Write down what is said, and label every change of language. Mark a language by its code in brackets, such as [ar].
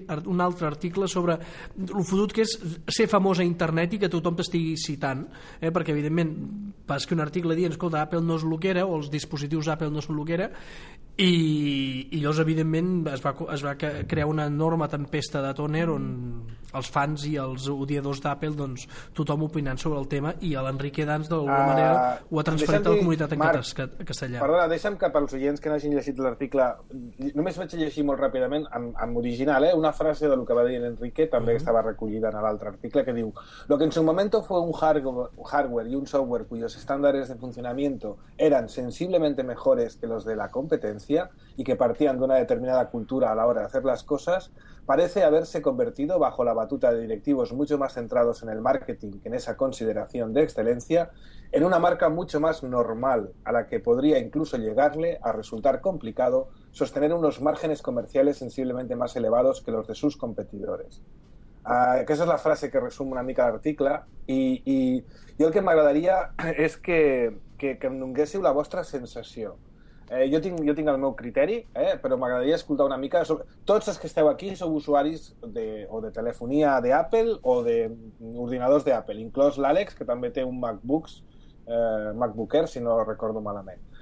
[ca] un altre article sobre el fotut que és ser famós a internet i que tothom t'estigui citant, perquè evidentment va escriure un article dient, escolta, Apple no és lo que era, o els dispositius Apple no són lo que era, i llavors evidentment es va crear una enorme tempesta de tòner on els fans i els odiadors d'Apple, doncs tothom opinant sobre el tema, i l'Enrique Dans d'alguna manera ho ha transferit a la comunitat en castellà. Perdona, deixa'm que pels oients que no hagin llegit l'article, només vaig llegir molt ràpidament en original, una frase de lo que va dir l'Enrique, també que estava recollida en l'altre article, que diu: [es] lo que en su momento fue un hardware y un software cuyos estándares de funcionamiento eran sensiblemente mejores que los de la competencia y que partían de una determinada cultura a la hora de hacer las cosas, parece haberse convertido, bajo la batuta de directivos mucho más centrados en el marketing que en esa consideración de excelencia, en una marca mucho más normal, a la que podría incluso llegarle a resultar complicado sostener unos márgenes comerciales sensiblemente más elevados que los de sus competidores. [ca] Que esa es la frase que resume una mica l'article, i el que m'agradaria és que em donéssiu la vostra sensació. Jo tinc el meu criteri, però m'agradaria escoltar una mica sobre... Tots els que esteu aquí sou usuaris de telefonia d'Apple o d'ordinadors d'Apple, inclòs l'Àlex, que també té un MacBooker, si no recordo malament.